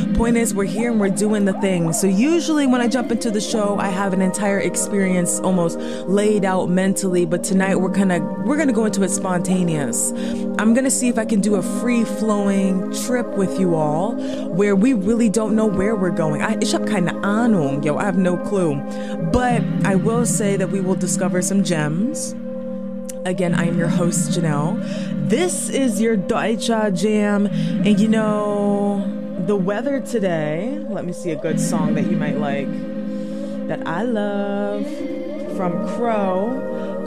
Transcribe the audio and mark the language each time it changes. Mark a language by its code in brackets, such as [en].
[en] Point is, we're here and we're doing the thing. So usually when I jump into the show, I have an entire experience almost laid out mentally. But tonight we're gonna go into it spontaneous. I'm gonna see if I can do a free-flowing trip with you all where we really don't know where we're going. [de] Ich hab keine Ahnung, yo, [en] I have no clue. But I will say that we will discover some gems. Again, I am your host, Janelle. This is your Deutsche Jam. And you know, the weather today, let me see a good song that you might like, that I love, from Crow.